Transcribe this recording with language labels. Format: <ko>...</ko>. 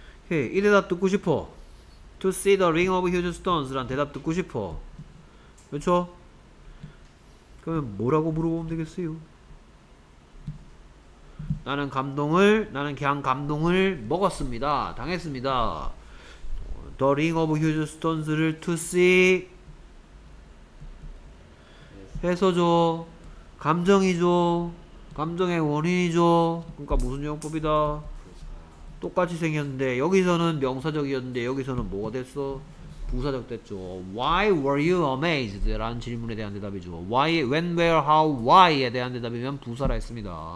<ko>이 대답 듣고 싶어?</ko> <en>To see the ring of huge stones</en> <ko>라는 대답 듣고 싶어? 그렇죠? 그러면 뭐라고 물어보면 되겠어요? 나는 그냥 감동을 먹었습니다. 당했습니다.</ko> <en>The ring of huge stones</en> <ko>를</ko> <en>to see</en> <ko>해서죠. 감정이죠. 감정의 원인이죠. 그러니까 무슨 용법이다? 똑같이 생겼는데 여기서는 명사적이었는데 여기서는 뭐가 됐어? 부사적 됐죠.</ko> <en>Why were you amazed?</en> <ko>라는 질문에 대한 대답이죠.</ko> <en>Why, when, where, how,</en> <ko>why에 대한 대답이면 부사라 했습니다.</ko>